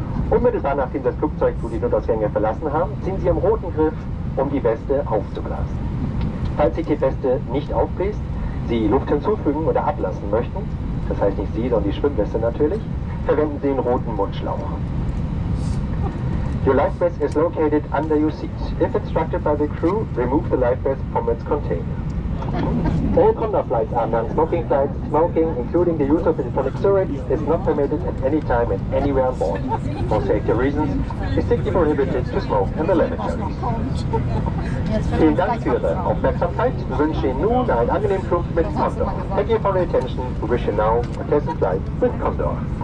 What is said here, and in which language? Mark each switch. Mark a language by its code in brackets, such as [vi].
[de] Unmittelbar nachdem das Flugzeug, wo die Notausgänge verlassen haben, ziehen Sie am roten Griff, um die Weste aufzublasen. Falls sich die Weste nicht aufbläst, Sie Luft hinzufügen oder ablassen möchten, das heißt nicht Sie, sondern die Schwimmweste natürlich, verwenden Sie den roten Mundschlauch. [en] Your life vest is located under your seat. If instructed by the crew, remove the life vest from its container. All Condor flights are non-smoking flights. Smoking, including the use of electronic cigarettes, is not permitted at any time and anywhere on board. For safety reasons, it's strictly prohibited to smoke in the lavatories. [de] Vielen Dank für Ihre Aufmerksamkeit. Wir wünschen Ihnen nun einen angenehmen Flug mit Condor. [en] Thank you for your attention. We wish you now a pleasant flight with Condor.